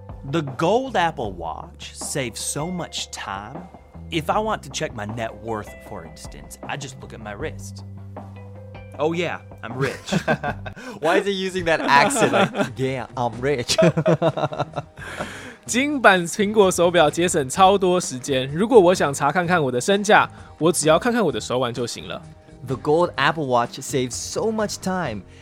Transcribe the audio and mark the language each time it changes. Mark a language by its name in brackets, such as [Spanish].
[English] The gold Apple Watch saves so much time. If I want to check my net worth, for instance, I just look at my wrist. Oh yeah, I'm rich. Why is he using that accent? Like, yeah, I'm rich. [Chinese] 金版苹果手表节省超多时间。如果我想查看看我的身价，我只要看看我的手腕就行了。 [English] The gold Apple Watch saves so much time.